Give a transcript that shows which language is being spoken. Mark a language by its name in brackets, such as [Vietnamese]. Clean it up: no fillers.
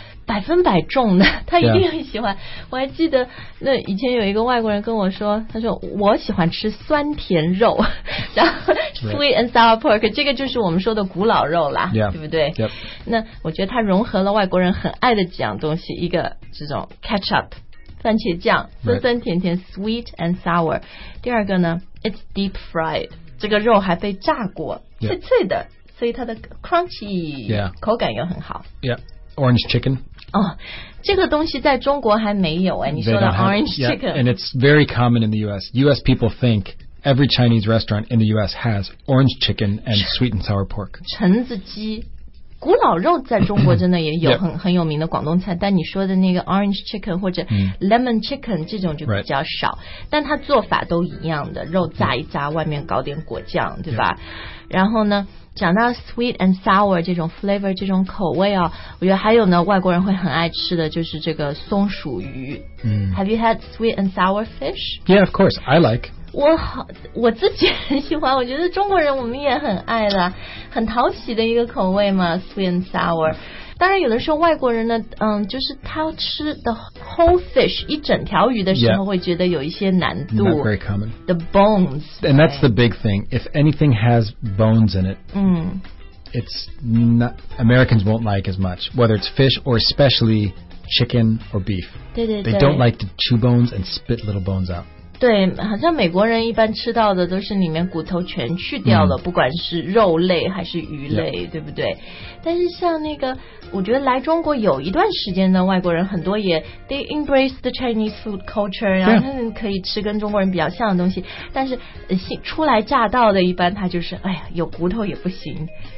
[Chinese] 百分百中的他一定很喜欢、我还记得那以前有一个外国人跟我说他说我喜欢吃酸甜肉然后 sweet and sour pork 这个就是我们说的古老肉啦、对不对、那我觉得他融合了外国人很爱的几样东西一个这种 ketchup 番茄酱酸酸甜甜 sweet and sour 第二个呢 [English] it's deep fried [Chinese] 这个肉还被炸过、脆脆的所以它的 crunchy、口感又很好、 [English] Orange chicken. [Chinese] Oh, 这个东西在中国还没有哎。你说的 orange chicken. [English] Yeah, and it's very common in the U.S. U.S. people think every Chinese restaurant in the U.S. has orange chicken and sweet and sour pork. [Chinese] 橙子鸡，古老肉在中国真的也有很有名的广东菜。但你说的那个 orange chicken 或者 lemon chicken 这种就比较少。 [English] Right. [Chinese] 但它做法都一样的，肉炸一炸，外面搞点果酱，对吧？ [English] Yeah. [Chinese] 然后呢？讲到 sweet and sour 这种 flavor 这种口味啊、我觉得还有呢外国人会很爱吃的就是这个松鼠鱼、 [English] Have you had sweet and sour fish? Yeah, of course, I like [Chinese] 我自己很喜欢我觉得中国人我们也很爱的很讨喜的一个口味嘛 sweet and sour 当然有的时候外国人呢就是他吃 the whole fish 一整条鱼的时候会觉得有一些难度 [English] Not very common The bones And that's the big thing If anything has bones in it、It's not Americans won't like as much Whether it's fish or especially chicken or beef [Chinese] 对对对 [English] They don't like to chew bones and spit little bones out [Chinese] 对，好像美国人一般吃到的都是里面骨头全去掉了，不管是肉类还是鱼类，对不对？但是像那个，我觉得来中国有一段时间的外国人很多也 [English] they embrace the Chinese food culture， [Chinese] 然后他们可以吃跟中国人比较像的东西，但是初来乍到的一般他就是，哎呀，有骨头也不行。